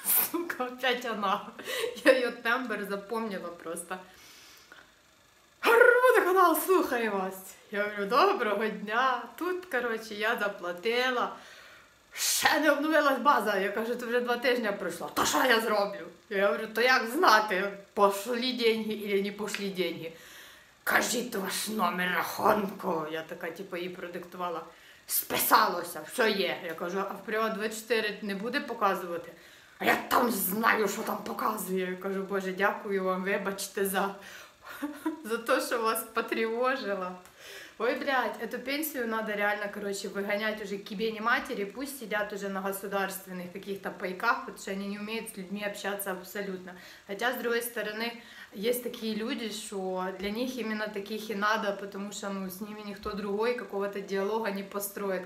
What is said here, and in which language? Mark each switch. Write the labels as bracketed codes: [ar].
[uk] Сука, опять вона. Я її тембр запомнила просто. это канал, слухаю вас. Я говорю, доброго дня. Тут, короче, я заплатила. Ще не обновилась база. Я кажу, то вже 2 тижні пройшло. То що я зроблю? [ru] Я говорю, [uk] то як знати, [ru] пошли деньги или не пошли деньги? [uk] Кажіть ваш номер рахунку. Я така, типу, їй продиктувала. Списалося, все є. Я кажу, а в Приват 24 не буде показувати? А я там знаю, що там показує. Я кажу, боже, дякую вам, вибачте за... за то, що вас потревожило. [ru] Ой, блядь, эту пенсію надо реально, короче, выгонять уже к кібені матері, пусть сидят уже на государственных каких-то пайках, потому что они не умеют с людьми общаться абсолютно. Хотя, с другой стороны, есть такие люди, что для них именно таких и надо, потому что ну, с ними никто другой какого-то диалога не построит.